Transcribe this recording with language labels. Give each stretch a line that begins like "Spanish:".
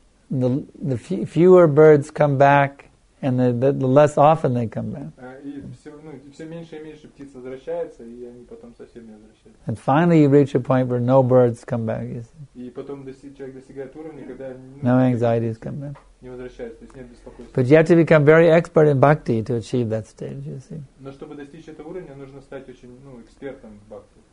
English: the fewer birds come back, and the less often they come back.
Russian: Все меньше и меньше птиц возвращается, и они потом совсем не возвращаются.
English: And finally you reach a point where no birds come back, you see.
Russian: И потом человек достигает уровня, когда
English: no anxieties come back.
Russian: Не возвращается, то есть нет беспокойства.
English: But you have to become very expert in bhakti to achieve that stage, you see.
Russian: Но чтобы достичь этого уровня, нужно стать очень, экспертом в бхакти.